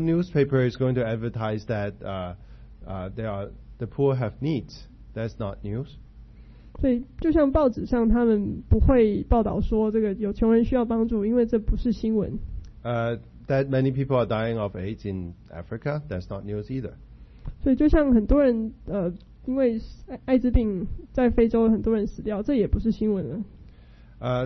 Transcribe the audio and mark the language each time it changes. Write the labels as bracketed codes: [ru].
[en] newspaper is going to advertise that there are the poor have needs. That's not news. [zh] 所以就像報紙上他們不會報導說這個有窮人需要幫助,因為這不是新聞。 [en] That many people are dying of AIDS in Africa, that's not news either. [zh] 所以就像很多人因為艾滋病在非洲很多人死掉,這也不是新聞了。